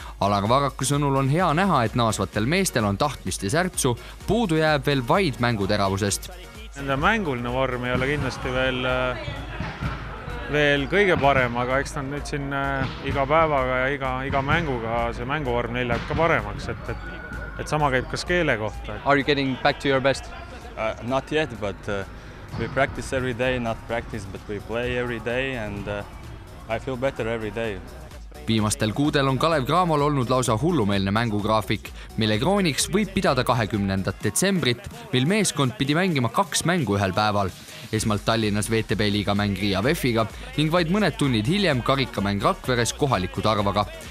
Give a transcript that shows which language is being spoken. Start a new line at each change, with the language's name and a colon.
Estonian: Alar Varaku sõnul on hea näha, et naasvatel meestel on tahtmist ja särtsu, puudu jääb veel vaid mänguteravusest. Nende mänguline vorm ei ole kindlasti veel kõige parem, aga eks nad nüüd siin iga päevaga ja iga mänguga see mänguvorm neil läheb ka paremaks, et sama käib ka Skeele kohta.
English: Are you getting back to your best? Not yet, but we practice every day, not practice, but we play every day and I feel better every day.
Estonian: Viimastel kuudel on Kalev Graamol olnud lausa hullumeelne mängugraafik, mille krooniks võib pidada 20. detsembrit, mil meeskond pidi mängima kaks mängu ühel päeval. Esmalt Tallinnas VTB liiga mäng Riia Vefiga ning vaid mõned tunnid hiljem karikamäng Rakveres kohaliku Tarvaga.